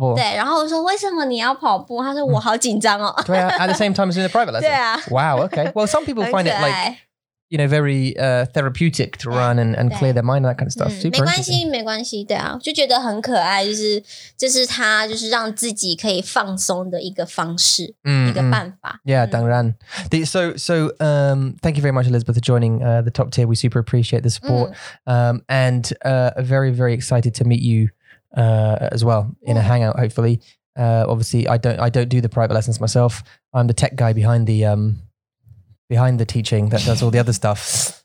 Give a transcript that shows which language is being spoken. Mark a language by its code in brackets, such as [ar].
[zh] 我上网记得你说，他的老公是中国人，好像是。然后他很可爱哦，他第一堂课很紧张，他非常非常的紧张，所以他就在那个跑步跟我一起上课。然后说，我就说，Elizabeth，你在运动对不对？因为我就觉得他一直在动，他的上面不动，那下面一直动。然后说你在运动吗？他说，哦，对，我在跑步。骑马吗？不是跑步，对，然后我说为什么你要跑步？他说我好紧张哦。对啊， [en] at the same time as in the private lesson. Yeah. Wow. Okay. Well, some people find it like, you know, very therapeutic to run and clear their mind and that kind of stuff. [zh] 没关系，没关系。对啊，就觉得很可爱，就是这是他就是让自己可以放松的一个方式，一个办法。 [en] Yeah， [zh] 当然。 [en] So thank you very much, Elizabeth, for joining the top tier. We super appreciate the support. Very, very excited to meet you as well in a hangout, hopefully. Obviously, I don't do the private lessons myself. I'm the tech guy behind the teaching that does all the other stuff.